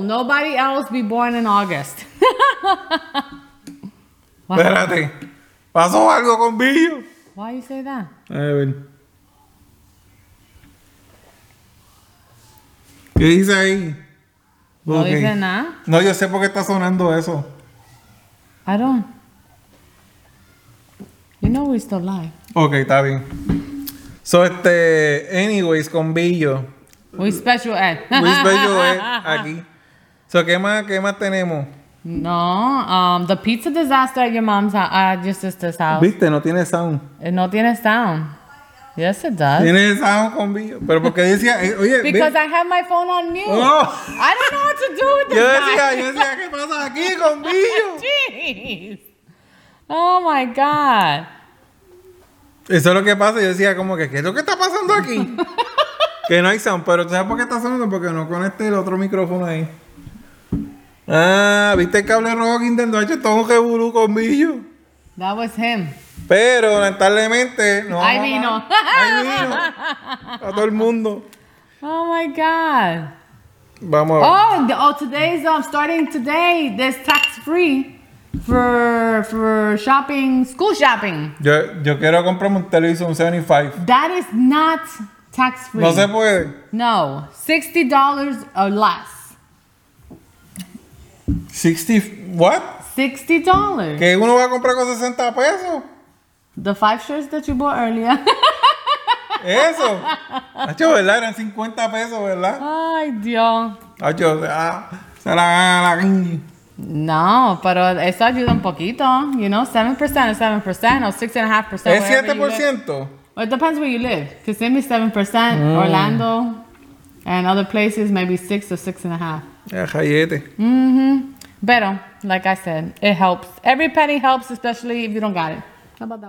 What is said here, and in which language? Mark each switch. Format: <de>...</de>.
<en>Nobody else be born in August. Wow.</en> <es>Espérate, ¿pasó algo con Billo?</es> <en>Why you say that?</en> <es>A ver. ¿Qué dice ahí? No dice nada. No, yo sé por qué está sonando eso.</es> <en>I don't. You know we still live.</en> <es>Ok, está bien.</es> <en>So, anyways,</en> <es>con Billo.</es> <en>We special Ed. We special Ed</en> <es>aquí. So, ¿qué más tenemos?</es> <en>No, the pizza disaster at your mom's house, at your sister's house.</en> <es>Viste, no tiene sound.</es> <en>It</en> <es>no tiene</es> <en>sound. Yes, it does.</en> <es>Tiene sound con Billo. Pero porque decía, oye.</es> <en>Because I have my phone on mute. Oh. I don't know what to do with this.</en> <es>Yo decía, ¿qué pasa aquí con Billo?</es> <en>Jeez. Oh my God.</en> <es>Eso es lo que pasa. Yo decía, como que, ¿qué es lo que está pasando aquí? Que no hay sound. Pero ¿tú sabes por qué está sonando? Porque no conecté el otro micrófono ahí. Ah, ¿viste el cable rojo que intentó hacer todo un jeburú con Billo?</es> <en>That was him.</en> <es>Pero, lamentablemente, no. Ahí vino. Ahí vino. A todo el mundo.</es> <en>Oh, my God.</en> <es>Vamos a ver.</es> <en>Oh, today's, starting today, this tax-free for shopping, school shopping.</en> <es>Yo quiero comprarme un televisor, un 75.</es> <en>That is not tax-free.</en> <es>No se puede.</es> <en>No, $60 or less. $60.</en> <es>¿Qué uno va a comprar con 60 pesos?</es> <en>The 5 shirts that you bought earlier.</en> <es>Eso. Acho, ¿verdad? Eran 50 pesos, ¿verdad? Ay, Dios. Acho, se la gana la guiña. No, pero eso ayuda un poquito.</es> <en>You know, 7% is 7% or 6.5%.</en> <es>¿Es 7%?</es> <en>It depends where you live. Because same is 7%, Orlando. And other places, maybe 6 or 6.5. Mm-hmm. Pero, like I said, it helps. Every penny helps, especially if you don't got it. How about that?</en>